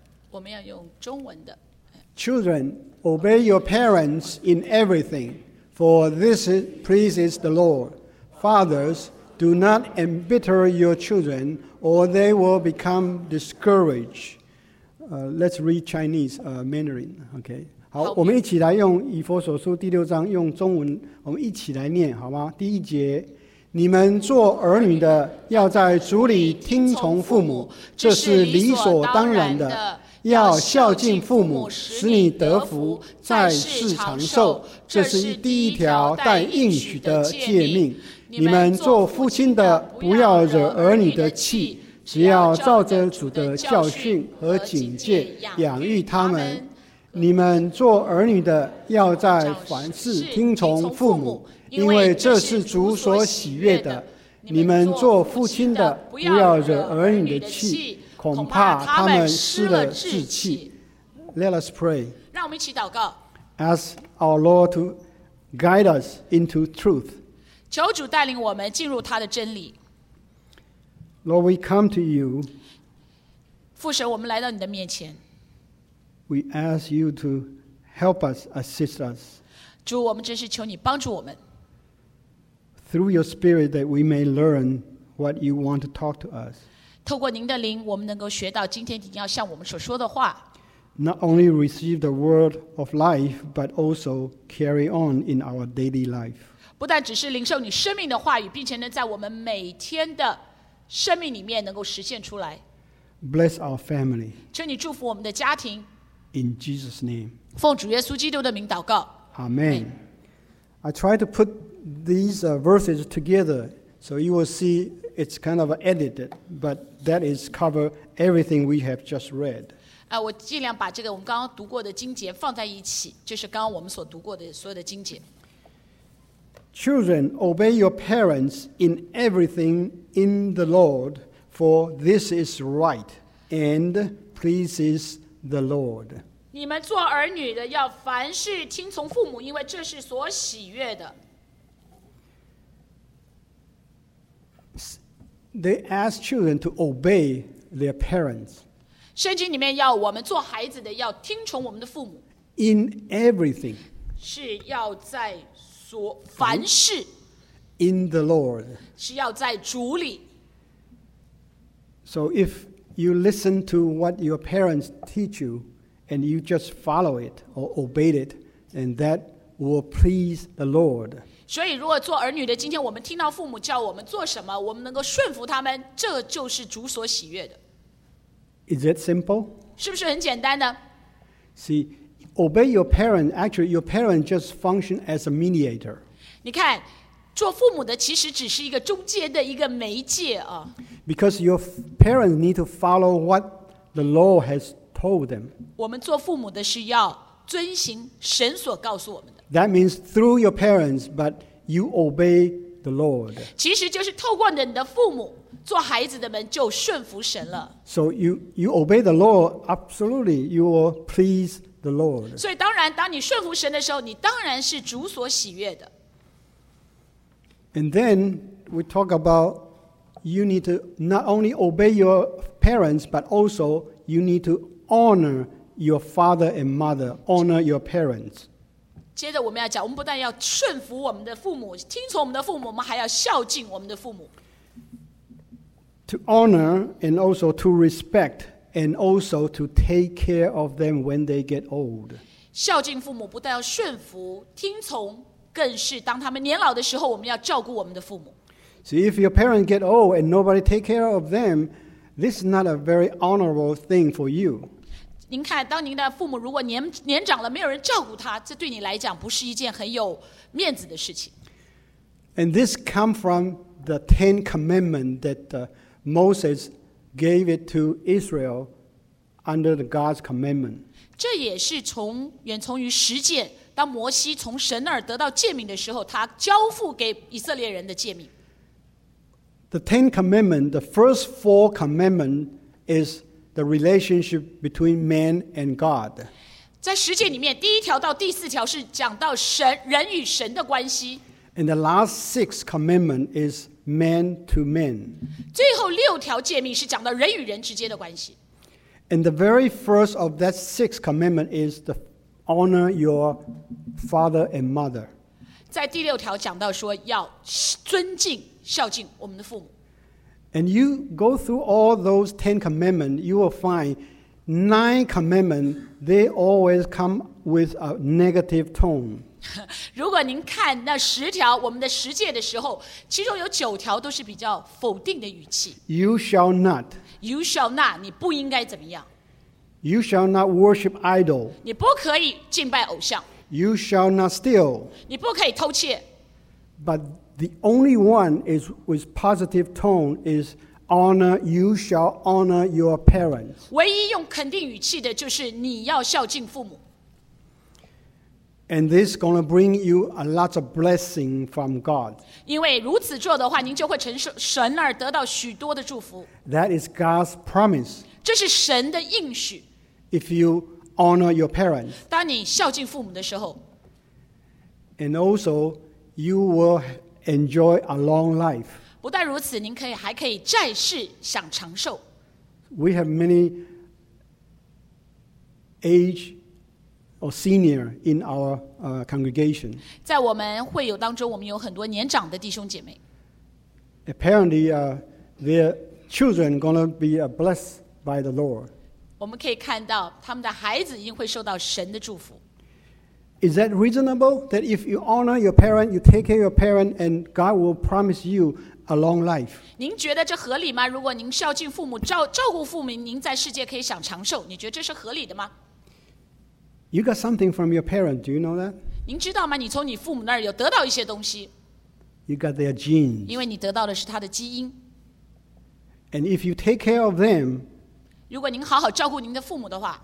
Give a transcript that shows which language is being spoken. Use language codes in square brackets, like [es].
[zh] 我们要用中文的。 [en] Children, obey your parents in everything, for this pleases the Lord. Fathers, do not embitter your children, or they will become discouraged. Let's read Chinese, Mandarin. Okay. [zh] 好，我们一起来用以弗所书第六章用中文，我们一起来念，好吗？第一节。你们做儿女的要在主里听从父母，这是理所当然的，要孝敬父母，使你得福，在世长寿，这是第一条带应许的诫命。你们做父亲的不要惹儿女的气，只要照着主的教训和警戒养育他们。你们做儿女的要在凡事听从父母，因为这是主所喜悦的。你们做父亲的不要惹儿女的气，恐怕他们失了志气。 [en] Let us pray. [zh] 让我们一起祷告。 [en] Ask our Lord to guide us into truth. [zh] 求主带领我们进入他的真理。 [en] Lord, we come to you. [zh] 父神，我们来到你的面前。 [en] We ask you to help us, assist us. [zh] 主，我们真是求你帮助我们。 [en] Through your spirit that we may learn what you want to talk to us. [zh] 透过您的灵，我们能够学到今天你要向我们所说的话。 [en] Not only receive the word of life, but also carry on in our daily life. [zh] 不但只是领受你生命的话语，并且能在我们每天的生命里面能够实现出来。 [en] Bless our family. [zh] 求你祝福我们的家庭。 [en] In Jesus' name. [zh] 奉主耶稣基督的名祷告。 [en] Amen. I try to put these verses together, so you will see it's kind of edited, but that is cover everything we have just read. [zh] 我尽量把这个我们刚刚读过的经节放在一起，就是刚刚我们所读过的所有的经节。 [en] Children, obey your parents in everything in the Lord, for this is right and pleases the Lord. [zh] 你们做儿女的要凡事听从父母，因为这是所喜悦的。 [en] They ask children to obey their parents. [zh] 圣经里面要我们做孩子的要听从我们的父母。 [en] In everything. [zh] 是要在所凡事。 [en] In the Lord. [zh] 是要在主里。 [en] So if you listen to what your parents teach you, and you just follow it or obey it, and that will please the Lord. [zh] 所以如果做儿女的今天我们听到父母叫我们做什么，我们能够顺服他们，这就是主所喜悦的。 [en] Is it simple? [zh] 是不是很简单呢？ [en] See, obey your parents. Actually, your parents just function as a mediator. [zh] 你看，做父母的其实只是一个中间的一个媒介啊。 [en] Because your parents need to follow what the law has told them. [zh] 我们做父母的是要遵行神所告诉我们的。 [en] That means through your parents, but you obey the Lord. [zh] 其实就是透过你的父母，做孩子的们就顺服神了。 [en] So you obey the Lord, absolutely, you will please the Lord. [zh] 所以当然当你顺服神的时候，你当然是主所喜悦的。 [en] And then we talk about you need to not only obey your parents, but also you need to honor your father and mother, honor your parents. [zh] 接着我们要讲，我们不但要顺服我们的父母，听从我们的父母，我们还要孝敬我们的父母。 [en] To honor and also to respect and also to take care of them when they get old. [zh] 孝敬父母不但要顺服、听从，更是当他们年老的时候，我们要照顾我们的父母。 [en] So if your parents get old and nobody take care of them, this is not a very honorable thing for you. [zh] 您看，当您的父母如果 年长了，没有人照顾他，这对你来讲不是一件很有面子的事情。 [en] And this comes from the Ten Commandments that Moses gave it to Israel under the God's commandment. [zh] 这也是从远从于十诫，当摩西从神那儿得到诫命的时候，他交付给以色列人的诫命。 [en] The Ten Commandments, the first four commandments is. The relationship between man and God. [zh] 在十诫里面，第一条到第四条是讲到神人与神的关系。 [en] And the last six commandment is man to man. [zh] 最后六条诫命是讲到人与人之间的关系。 [en] And the very first of that six commandment is to honor your father and mother. [zh] 在第六条讲到说要尊敬孝敬我们的父母。 [en] And you go through all those ten commandments, you will find nine commandments, they always come with a negative tone. [zh] 如果您看那十条我们的十诫的时候，其中有九条都是比较否定的语气。 [en] You shall not. You shall not. [zh] 你不应该怎么样。 [en] You shall not worship idol. [zh] 你不可以敬拜偶像。 [en] You shall not steal. [zh] 你不可以偷窃。 [en] But,The only one is with positive tone is honor, you shall honor your parents. [zh] 唯一用肯定语气的就是你要孝敬父母。 [en] And this is going to bring you a lot of blessing from God. [zh] 因为如此做的话，您就会从神那儿得到许多的祝福。 [en] That is God's promise. [zh] 这是神的应许。 [en] If you honor your parents. [zh] 当你孝敬父母的时候。 [en] And also, you will... Enjoy a long life. [zh] 不但如此，您可以还可以在世享长寿。 [en] We have many age or senior in our congregation. [zh] 在我们会友当中，我们有很多年长的弟兄姐妹。 [en] Apparently, their children are going to be blessed by the Lord. [zh] 我们可以看到他们的孩子已经会受到神的祝福。 [en] Is that reasonable that if you honor your parent, you take care of your parent, and God will promise you a long life? [zh] 您觉得这合理吗？如果您孝敬父母，照顾父母，您在世界可以享长寿，你觉得这是合理的吗？ [en] You got something from your parent, do you know that? [zh] 您知道吗？你从你父母那儿有得到一些东西。 [en] You got their genes. [zh] 因为你得到的是他的基因。 [en] And if you take care of them, [zh] 如果您好好照顾您的父母的话